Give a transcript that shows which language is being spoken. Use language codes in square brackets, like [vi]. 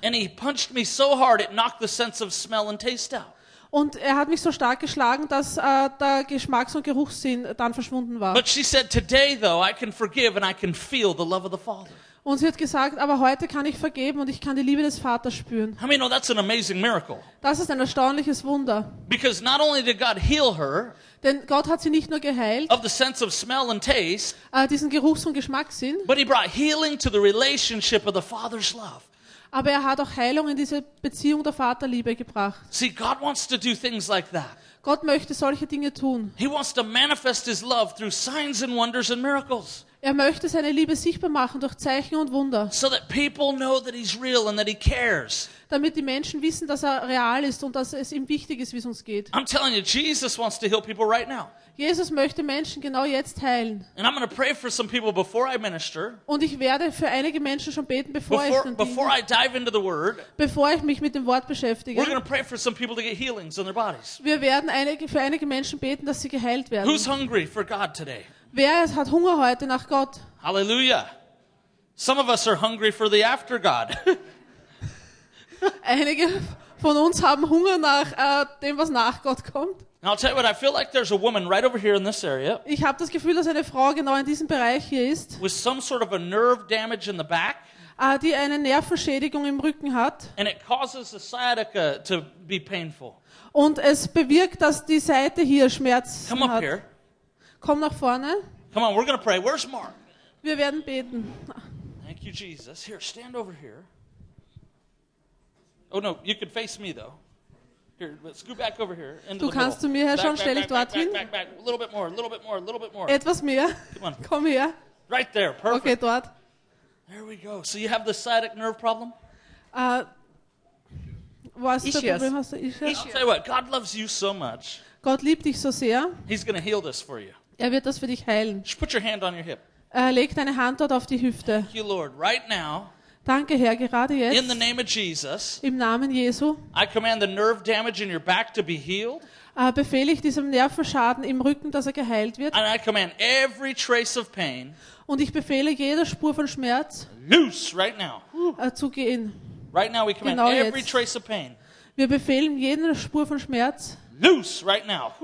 [en] And he punched me so hard, it knocked the sense of smell and taste out. [de] Und hat mich so stark geschlagen, dass der Geschmacks- und Geruchssinn dann verschwunden war. [en] But she said, today though, I can forgive and I can feel the love of the Father. [de] Und sie hat gesagt, aber heute kann ich vergeben und ich kann die Liebe des Vaters spüren. [en] I mean, oh, that's an amazing miracle. [de] Das ist ein erstaunliches Wunder. [en] Because not only did God heal her, [de] denn Gott hat sie nicht nur geheilt, [en] of the sense of smell and taste, [de] diesen Geruchs- und Geschmackssinn, [en] but he brought healing to the relationship of the Father's love. [de] Aber hat auch Heilung in diese Beziehung der Vaterliebe gebracht. [en] See, God wants to do things like that. [de] Gott möchte solche Dinge tun. [en] He wants to manifest his love through signs and wonders and miracles. [de] Er möchte seine Liebe sichtbar machen durch Zeichen und Wunder. [en] So that people know that he's real and that he cares. [de] Damit die Menschen wissen, dass real ist und dass es ihm wichtig ist, wie es uns geht. [en] I'm telling you, Jesus wants to heal people right now. [de] Jesus möchte Menschen genau jetzt heilen. [en] And I'm going to pray for some people before I minister. [de] Und ich werde für einige Menschen schon beten, bevor [en] I dive into the word. [de] Bevor ich mich mit dem Wort beschäftige. [en] We're going to pray for some people to get healings in their bodies. [de] Wir werden für einige Menschen beten, dass sie geheilt werden. [en] Who's hungry for God today? [de] Wer hat Hunger heute nach Gott? [en] Hallelujah. Some of us are hungry for the after God. [de] Einige von uns haben Hunger nach dem, was nach Gott kommt. [en] Now I'll tell you what, I feel like there's a woman right over here in this area. [de] Ich habe das Gefühl, dass eine Frau genau in diesem Bereich hier ist. [en] With some sort of a nerve damage in the back. [de] Die eine Nervenschädigung im Rücken hat. [en] And it causes the sciatica to be painful. [de] Und es bewirkt, dass die Seite hier Schmerzen [en] Come up [de] hat. [en] Here. [de] Komm nach vorne. [en] Come on, we're going to pray. Where's Mark? [de] Wir werden beten. [en] Thank you, Jesus. Here, stand over here. Oh no, you can face me though. Here, let's go back over here. [de] Du kannst zu mir herschauen, stell dich dorthin. [en] A little bit more, a little bit more, a little bit more. [de] Etwas mehr. [en] Come on. [de] Komm her. [en] Right there, perfect. [de] Okay, dort. [en] There we go. So you have the sciatic nerve problem? [de] Was ist das Problem? Hast du Ischias? [en] I'll tell you what, God loves you so much. [de] Gott liebt dich so sehr. [en] He's going to heal this for you. [de] Wird das für dich heilen. [en] Just put your hand on your hip. [de] Leg deine Hand dort auf die Hüfte. [en] Thank you, Lord, right now. [de] Danke, Herr, gerade jetzt. [en] In the name of Jesus. [de] Im Namen Jesu. [en] I command the nerve damage in your back to be healed. [de] Befehle ich diesem Nervenschaden im Rücken, dass geheilt wird. [en] And I command every trace of pain. [de] Und ich befehle jeder Spur von Schmerz. [en] Loose right now. [de] Zu gehen. [en] Right now we command [de] genau [en] every trace of pain. [de] Wir befehlen jeder Spur von Schmerz. [en] Loose right now.